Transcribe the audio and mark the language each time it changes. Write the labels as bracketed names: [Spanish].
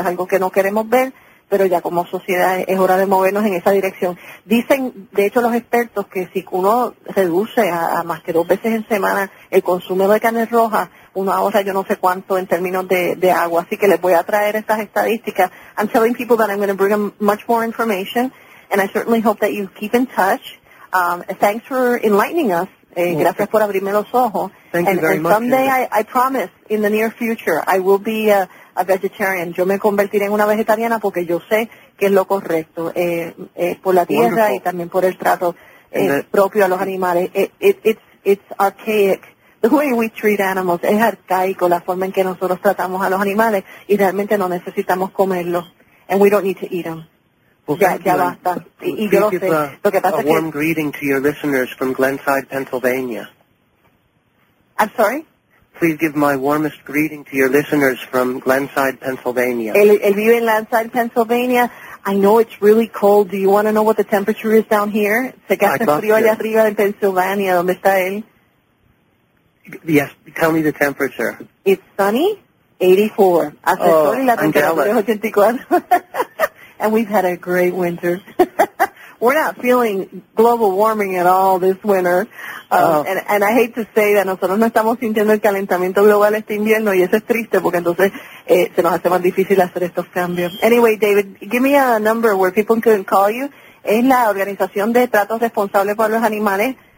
[Spanish] Es algo que no queremos ver, pero ya como sociedad es hora de movernos en esa dirección. Dicen, de hecho, los expertos, que si uno reduce a más que dos veces en semana el consumo de carne roja, uno ahorra yo no sé cuánto en términos de agua. Así que les voy a traer estas estadísticas. [English] I'm telling people that I'm going to bring them much more information, and I certainly hope that you keep in touch. Thanks for enlightening us. [Spanish] Gracias por abrirme los ojos. [English] Thank you very much. And someday, I promise, in the near future, I will be a vegetarian. [Spanish] Yo me convertiré en una vegetariana porque yo sé que es lo correcto, por la tierra. [English] Wonderful. [Spanish] Y también por el trato propio a los animales. [English] It's archaic, the way we treat animals. [Spanish] Es arcaico la forma en que nosotros tratamos a los animales, y realmente no necesitamos comerlos. [English] And we don't need to eat them. Well, [Spanish] ya basta. Y yo lo sé. Lo que pasa es que... [English] A warm greeting to your listeners from Glenside, Pennsylvania. I'm sorry? Please give my warmest greeting to your listeners from Glenside, Pennsylvania. [Spanish] El vive en [English] Glenside, Pennsylvania. I know it's really cold. Do you want to know what the temperature is down here? [Spanish] Se hace frío allá arriba en Pennsylvania, donde está él. [English] Yes, tell me the temperature. It's sunny, 84. [Spanish] Hace sol y la temperatura es 84. [English] And we've had a great winter. We're not feeling global warming at all this winter. And I hate to say that. [Spanish] Nosotros no estamos sintiendo el calentamiento global este invierno, y eso es triste porque entonces se nos hace más difícil hacer estos cambios. [English] Anyway, David, give me a number where people can call you. [Spanish] Es la Organización de Tratos Responsables por los Animales.